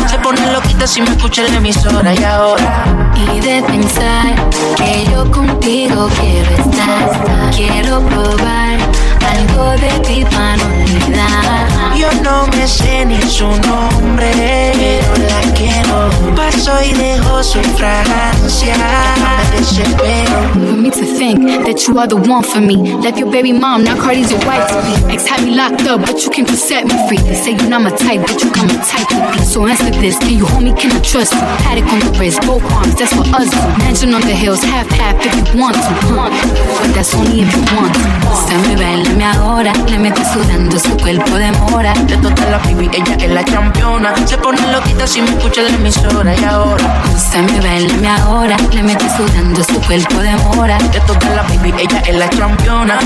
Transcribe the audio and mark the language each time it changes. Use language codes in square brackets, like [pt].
[es] Se pone loquita si me escucha la emisora. Y ahora y de pensar que yo contigo quiero estar. Quiero probar algo de ti para no olvidar. Yo no me sé ni su nombre, pero la quiero. Paso y dejo su fragancia. [en] For me to think that you are the one for me. Left your baby mom, now Cardi's your wife to be. Ex had me locked up, but you came to set me free. They say you're not my type, but you got my type to be. So answer this, can you hold me, can I trust you? Paddock on the wrist, both arms, that's for us to. Mansion on the hills, half-half if you want to. But that's only if you want to. [es] Se me bailame ahora, le meto sudando su cuerpo de mora. De toda la baby, ella es la campeona. Se pone loquita si me escucha la emisora. Y ahora se me bailame ahora, le meto sudando su cuerpo de mora. Te toca la baby, ella es la campeona.